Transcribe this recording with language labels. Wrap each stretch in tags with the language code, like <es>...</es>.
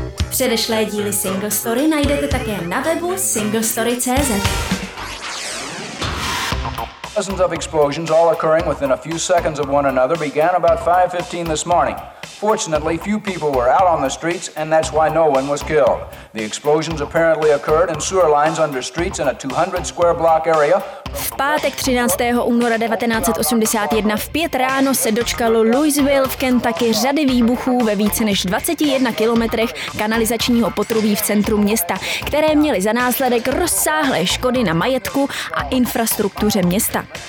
<cs>Předešlé díly Single Story najdete také na webu singlestory.cz.</cs> <en>Dozens of explosions all occurring within a few seconds of one another began about 5:15 this morning. Fortunately, few people were out on the streets, and that's why no one was killed. The explosions apparently occurred in sewer lines under streets in a 200 square block area,</en> <cs>V pátek 13. února 1981 v 5 ráno se dočkalo Louisville v Kentucky řady výbuchů ve více než 21 kilometrech kanalizačního potrubí v centru města, které měly za následek rozsáhlé škody na majetku a infrastruktuře města.</cs>